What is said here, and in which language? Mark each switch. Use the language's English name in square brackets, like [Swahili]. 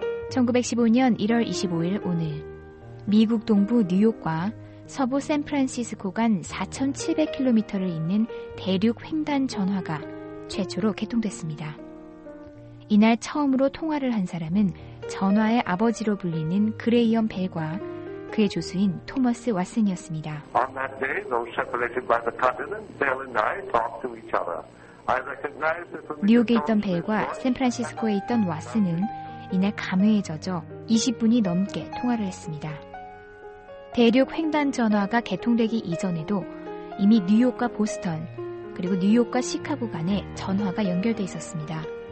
[Korean] 1915년 1월 25일 오늘, 미국 동부 뉴욕과 서부 샌프란시스코 간 4,700km를 잇는 대륙 횡단 전화가 최초로 개통됐습니다. 이날 처음으로 통화를 한 사람은 전화의 아버지로 불리는 그레이엄 벨과 그의 조수인 토머스 왓슨이었습니다. [English] On that day, though separated by the continent, Bell and I talked to each other. I recognized that from [Korean] 뉴욕에 있던 벨과 샌프란시스코에 있던 왓슨은 이날 감회에 젖어 20분이 넘게 통화를 했습니다. 대륙 횡단 전화가 개통되기 이전에도 이미 뉴욕과 보스턴, 그리고 뉴욕과 시카고 간에 전화가 연결돼 있었습니다.